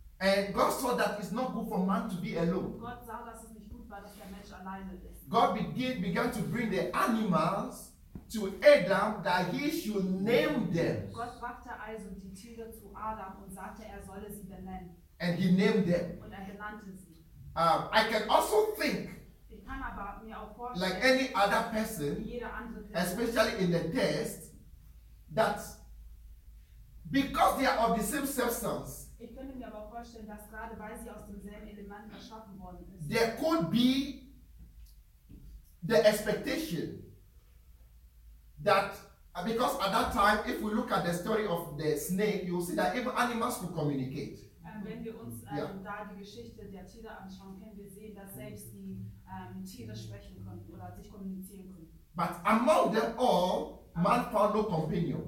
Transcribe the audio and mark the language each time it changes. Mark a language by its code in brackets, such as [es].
[en] And God saw that it's not good for man to be alone. [de] Gott sah, dass es nicht gut war, dass der Mensch alleine ist. [en] God began to bring the animals to Adam that he should name them. [de] Gott brachte also die Tiere zu Adam und sagte, er solle sie benennen. [en] And he named them. [de] Und er benannte sie. [en] I can also think. [de] Ich kann aber mir auch vorstellen, [en] like any other person, [de] jeder andere [en] Person, especially in the test, that because they are of the same substance, [de] ich könnte mir aber vorstellen, dass gerade weil sie aus demselben Element erschaffen worden ist, [en] there could be the expectation that because at that time, if we look at the story of the snake, you will see that even animals could communicate. [de] Und wenn wir uns da die Geschichte der Tiere anschauen, können wir sehen, dass selbst die Tiere sprechen konnten oder sich kommunizieren konnten. [en] But among them all, man found no companion.